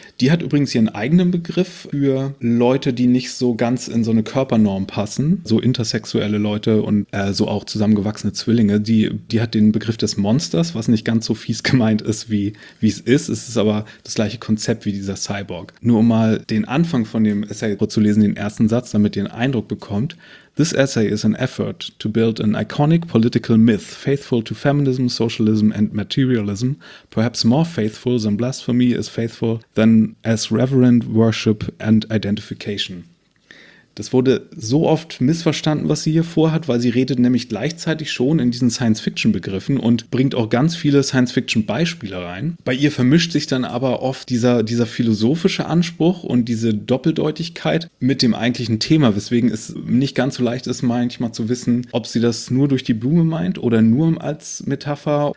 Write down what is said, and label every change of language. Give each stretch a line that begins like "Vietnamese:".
German: Die hat übrigens ihren eigenen Begriff für Leute, die nicht so ganz in so eine Körpernorm passen. So intersexuelle Leute und so auch zusammengewachsene Zwillinge. Die hat den Begriff des Monsters, was nicht ganz so fies gemeint ist, wie es ist. Es ist aber das gleiche Konzept wie dieser Cyborg. Nur um mal den Anfang von dem Essay zu lesen, den ersten Satz, damit ihr einen Eindruck bekommt.
English: This essay is an effort to build an iconic political myth faithful to feminism, socialism and materialism, perhaps more faithful than blasphemy is faithful than as reverent worship and identification.
German: Das wurde so oft missverstanden, was sie hier vorhat, weil sie redet nämlich gleichzeitig schon in diesen Science-Fiction-Begriffen und bringt auch ganz viele Science-Fiction-Beispiele rein. Bei ihr vermischt sich dann aber oft dieser philosophische Anspruch und diese Doppeldeutigkeit mit dem eigentlichen Thema, weswegen es nicht ganz so leicht ist, manchmal zu wissen, ob sie das nur durch die Blume meint oder nur als Metapher.